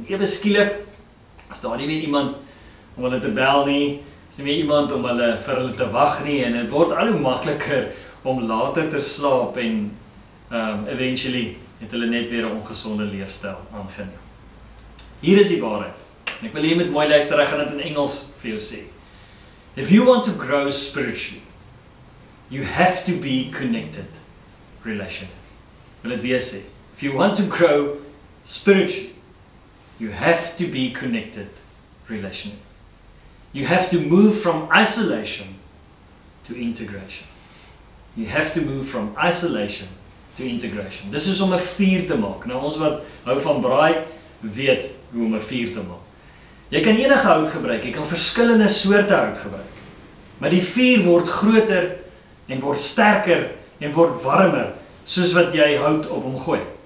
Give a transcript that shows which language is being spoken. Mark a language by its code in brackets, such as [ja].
[af] En ewe skielik is daar nie meer iemand om hulle te bel nie, is nie meer iemand om hulle vir hulle te wag nie en dit word al hoe makliker om later te slaap en eventually het hulle net weer 'n ongesonde leefstyl aangeneem. Hier is die waarheid. En ek wil hier met mooi luister, ek gaan dit in Engels vir jou sê. [en] If you want to grow spiritually, you have to be connected relationally. [af] Wil dit weer sê. [en] If you want to grow spiritually, you have to be connected relationally. You have to move from isolation to integration. You have to move from isolation to integration. [af] Dis is om 'n vuur te maak. Nou ons wat hou van braai, weet hoe om 'n vuur te maak. Jy kan enige hout gebruik, jy kan verskillende soorte hout gebruik. Maar die vuur word groter en word sterker en word warmer soos wat jy hout op hom gooi.